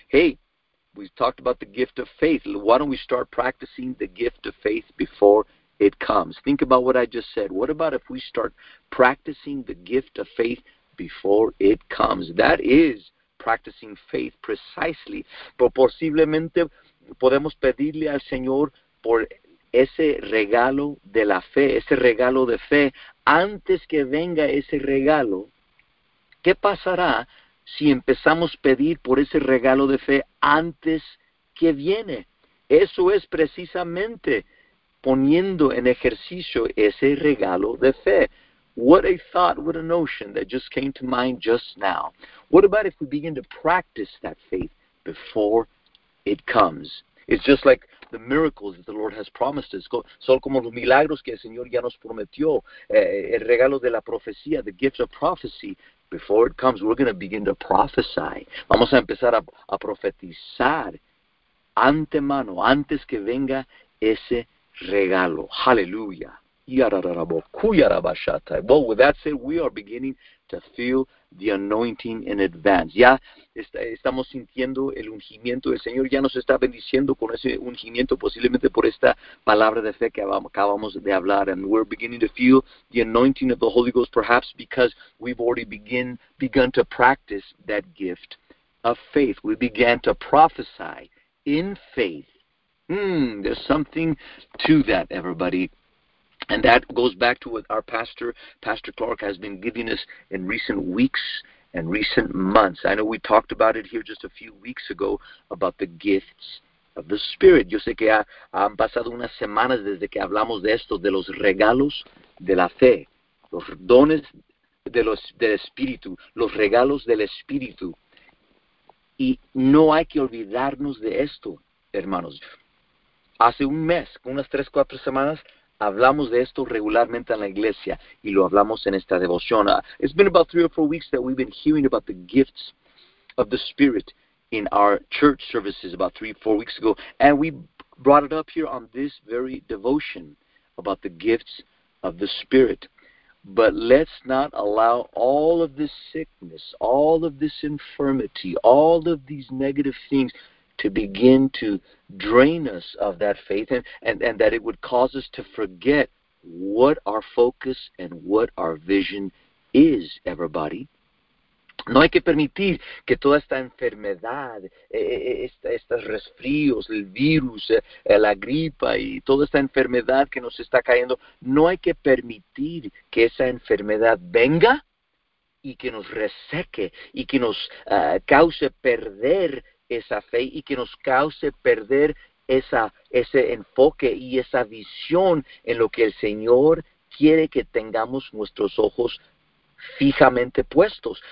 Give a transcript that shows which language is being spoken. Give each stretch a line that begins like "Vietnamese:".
English: Hey, we've talked about the gift of faith. Why don't we start practicing the gift of faith before it comes? Think about what I just said. What about if we start practicing the gift of faith before it comes? That is practicing faith precisely.
Spanish: Pero posiblemente podemos pedirle al Señor por ese regalo de la fe, ese regalo de fe, antes que venga ese regalo. ¿Qué pasará si empezamos a pedir por ese regalo de fe antes que viene? Eso es precisamente poniendo en ejercicio ese regalo de fe.
English: What a thought, what a notion that just came to mind just now. What about if we begin to practice that faith before it comes? It's just like the miracles that the Lord has promised us.
Spanish: Son como los milagros que el Señor ya nos prometió. El regalo de la profecía,
English: the gift of prophecy. Before it comes, we're going to begin to prophesy.
Spanish: Vamos a empezar a profetizar antemano, antes que venga ese regalo. Hallelujah.
English: Well, with that said, we are beginning to feel the anointing in advance.
Spanish: Ya estamos sintiendo el ungimiento. El Señor ya nos está bendiciendo con ese ungimiento, posiblemente por esta palabra de fe que acabamos de hablar.
English: And we're beginning to feel the anointing of the Holy Ghost, perhaps because we've already begun to practice that gift of faith. We began to prophesy in faith. There's something to that, everybody. And that goes back to what our pastor, Pastor Clark, has been giving us in recent weeks and recent months. I know we talked about it here just a few weeks ago about the gifts of the Spirit.
Spanish: Yo sé que han pasado unas semanas desde que hablamos de esto, de los regalos de la fe, los dones del Espíritu, los regalos del Espíritu. Y no hay que olvidarnos de esto, hermanos. Hace un mes, unas 3-4 semanas, hablamos de esto regularmente en la iglesia y lo hablamos en esta devoción.
English: It's been about 3 or 4 weeks that we've been hearing about the gifts of the Spirit in our church services, about 3-4 weeks ago. And we brought it up here on this very devotion about the gifts of the Spirit. But let's not allow all of this sickness, all of this infirmity, all of these negative things to begin to drain us of that faith and that it would cause us to forget what our focus and what our vision is, everybody.
Spanish: No hay que permitir que toda esta enfermedad, estos resfríos, el virus, la gripa y toda esta enfermedad que nos está cayendo, no hay que permitir que esa enfermedad venga y que nos reseque y que nos cause perder esa fe y que nos cause perder ese enfoque y esa visión en lo que el Señor quiere que tengamos nuestros ojos fijamente puestos.